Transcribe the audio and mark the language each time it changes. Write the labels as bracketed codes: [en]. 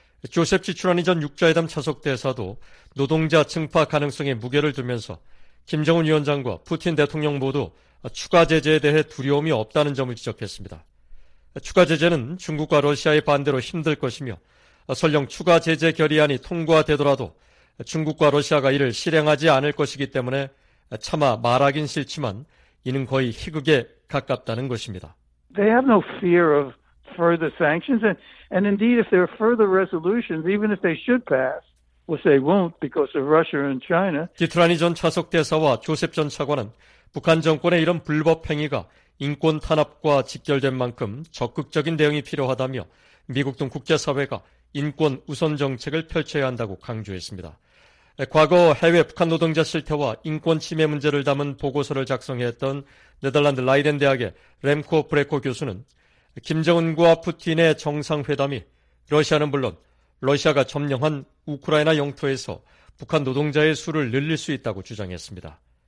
[ko] 조셉 지출환이 전 육자회담 차석 대사도 노동자 증파 가능성에 무게를 두면서 김정은 위원장과 푸틴 대통령 모두 추가 제재에 대해 두려움이 없다는 점을 지적했습니다. 추가 제재는 중국과 러시아의 반대로 힘들 것이며 설령 추가 제재 결의안이 통과되더라도 중국과 러시아가 이를 실행하지 않을 것이기 때문에 차마 말하긴 싫지만 이는 거의 희극에 가깝다는 것입니다. [en] They have no fear of further sanctions and indeed if there are further resolutions even if they should pass we'll say won't because of Russia and China. [ko] 지트라니 전 차석 대사와 조셉 전 차관은 북한 정권의 이런 불법 행위가 인권 탄압과 직결된 만큼 적극적인 대응이 필요하다며 미국 등 국제사회가 인권 우선 정책을 펼쳐야 한다고 강조했습니다. 과거 해외 북한 노동자 실태와 인권 침해 문제를 담은 보고서를 작성했던 네덜란드 라이덴 대학의 램코 브레코 교수는 김정은과 푸틴의 정상회담이 러시아는 물론 러시아가 점령한 우크라이나 영토에서 북한 노동자의 수를 늘릴 수 있다고 주장했습니다.